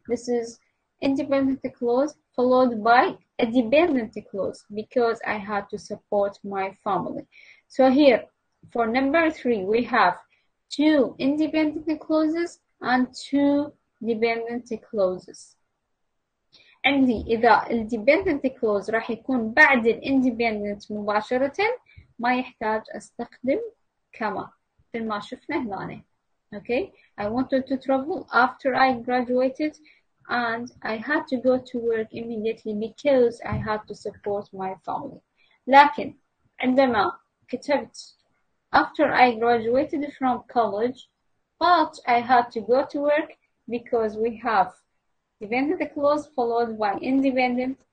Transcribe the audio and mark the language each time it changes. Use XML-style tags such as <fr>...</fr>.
<en>This is independent clause followed by a dependent clause because I had to support my family. So here for number three, we have two independent clauses and two dependent clauses.</en> <ar>عندي إذا الديبندنت كلوز راح يكون بعد الاندبندنت مباشرة ما يحتاج أستخدم كما مثل ما شفنا هنا.</ar> <en>Okay, I wanted to travel after I graduated and I had to go to work immediately because I had to support my family.</en> <ar>لكن عندما كتبت</ar> <en>after I graduated from college but I had to go to work because we have dependent clause followed by independent.</en>